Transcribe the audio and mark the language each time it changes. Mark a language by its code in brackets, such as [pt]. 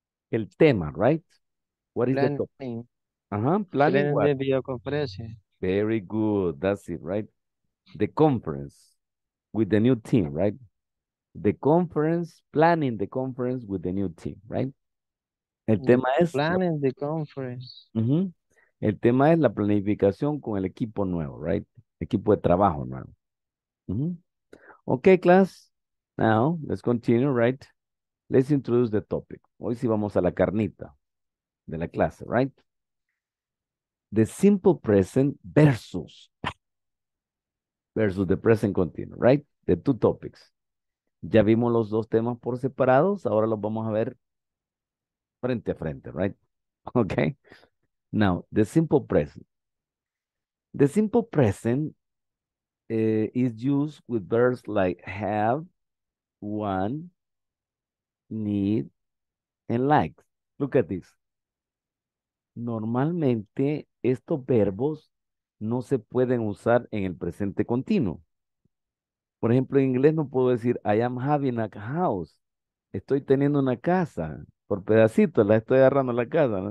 [es] el tema, [en] right? What is planning. The topic? Planning what? [es] De videoconferencia. [en] Very good. That's it, right? The conference with the new team, right? The conference, planning the conference with the new team, right? [es] El tema es... [en] Planning the conference. [es] El tema es la planificación con el equipo nuevo, right? Equipo de trabajo nuevo. [en] Okay, class. Now, let's continue, right? Let's introduce the topic. [es] Hoy sí vamos a la carnita de la clase, right? [en] The simple present versus... Versus the present continuous, right? The two topics. [es] Ya vimos los dos temas por separados. Ahora los vamos a ver frente a frente, right? Okay. [en] Now, the simple present. The simple present is used with verbs like have, want, need, and like. Look at this. [es] Normalmente, estos verbos no se pueden usar en el presente continuo. Por ejemplo, en inglés no puedo decir, [en] I am having a house. [es] Estoy teniendo una casa. Por pedacitos, la estoy agarrando la casa.